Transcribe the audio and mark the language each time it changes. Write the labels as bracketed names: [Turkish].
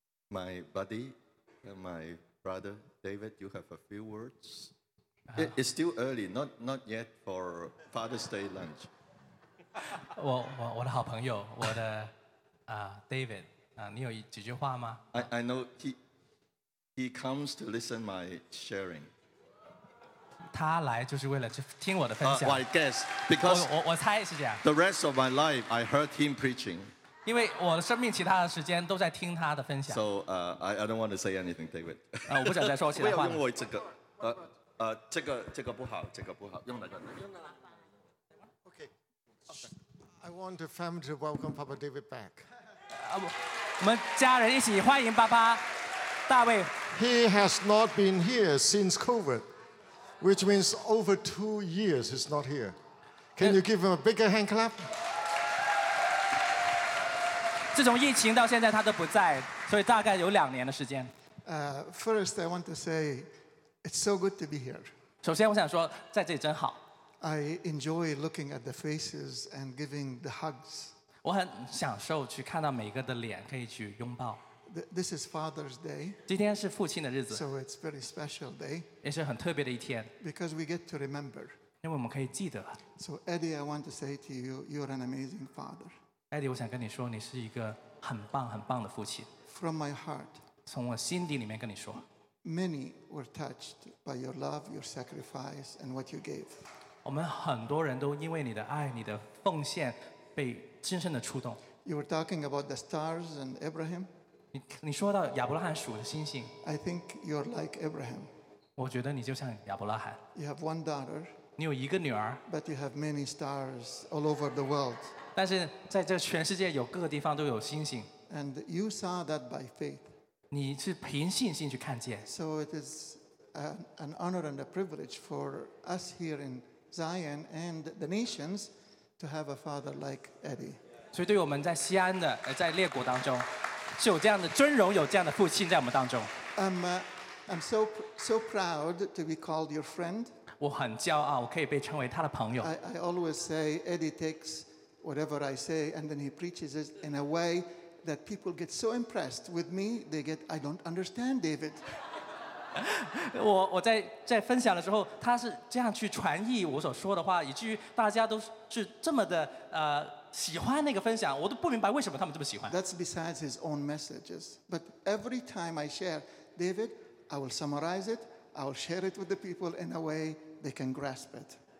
[English] My buddy, my brother, David, you have a few words. It's still early, not yet for Father's Day lunch. [Chinese] 我的好朋友，我的David, 你有几句话吗？ [English] I know he comes to listen my sharing. [Chinese] 他来就是为了听我的分享。 [English] I guess because [Chinese] 我猜是这样。 [English] The rest of my life, I heard him preaching. [Chinese] 因为我的生命其他的时间都在听他的分享。 [English] So, I don't want to say anything, David. [Chinese] 我不想再说其他话。不要用我这个，这个不好，这个不好，用的就用了。 [English] Okay. I want the family to welcome Papa David back. [Chinese] 我们家人一起欢迎爸爸大卫。 [English] He has not been here since COVID, which means over 2 years he's not here. Can you give him a bigger hand clap? [Chinese] 自从疫情到现在，他都不在，所以大概有两年的时间。 [English] First, I want to say it's so good to be here. [Chinese] 首先，我想说，在这里真好。 [English] I enjoy looking at the faces and giving the hugs. [Chinese] 我很享受去看到每个的脸，可以去拥抱。 [English] This is Father's Day. [Chinese] 今天是父亲的日子。 [English] So it's very special day. [Chinese] 也是很特别的一天。 [English] Because we get to remember. [Chinese] 因为我们可以记得。 [English] So Eddie, I want to say to you, you're an amazing father. [Chinese] Eddie, 我想跟你说，你是一个很棒很棒的父亲。 [English] From my heart. [Chinese] 从我心底里面跟你说。 [English] Many were touched by your love, your sacrifice, and what you gave. [Chinese] 我们很多人都因为你的爱、你的奉献被深深的触动。 [English] You were talking about the stars and Abraham. [Chinese] 你说到亚伯拉罕数的星星。 [English] I think you're like Abraham. [Chinese] 我觉得你就像亚伯拉罕。 [English] You have one daughter. [Chinese] 你有一个女儿。 [English] But you have many stars all over the world. [Chinese] 但是在这全世界有各个地方都有星星。 [English] And you saw that by faith. [Chinese] 你是凭信心去看见。 [English] So it is an honor and a privilege for us here in Zion and the nations to have a father like Eddie. [Chinese] 所以对我们在西安的在列国当中是有这样的尊荣有这样的父亲在我们当中。 [English] I'm so proud to be called your friend. [Chinese] 我很骄傲我可以被称为他的朋友。 [English] I always say Eddie takes whatever I say and then he preaches it in a way that people get so impressed with me, they get, I don't understand David. [Chinese] 我 在分享的时候他是这样去传译我所说的话以至于大家都是这么的喜欢那个分享我都不明白为什么他们这么喜欢。 [English] That's besides his own messages. But every time I share David, I will summarize it, I will share it with the people in a way they can grasp it.